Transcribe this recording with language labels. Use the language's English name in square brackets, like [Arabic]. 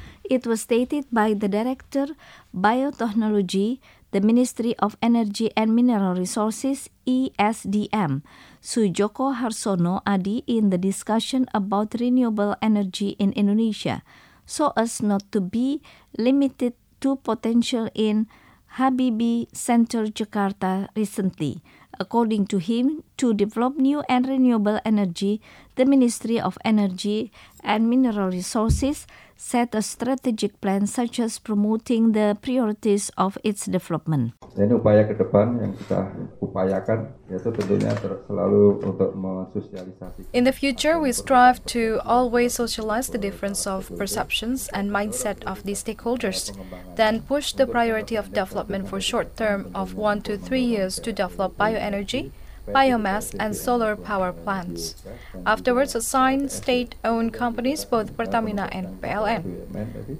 [English] It was stated by the Director, Biotechnology, the Ministry of Energy and Mineral Resources, ESDM, Sujoko Harsono Adi, in the discussion about renewable energy in Indonesia, so as not to be limited to potential in Habibie Center, Jakarta, recently. According to him, to develop new and renewable energy, the Ministry of Energy and Mineral Resources set a strategic plan such as promoting the priorities of its development. [Indonesian] Ini upaya ke depan yang kita upayakan, yaitu tentunya selalu untuk mensosialisasi. [English] In the future, we strive to always socialize the difference of perceptions and mindset of the stakeholders, then push the priority of development for short term of 1 to 3 years to develop bioenergy, biomass and solar power plants. Afterwards, assign state-owned companies, both Pertamina and PLN.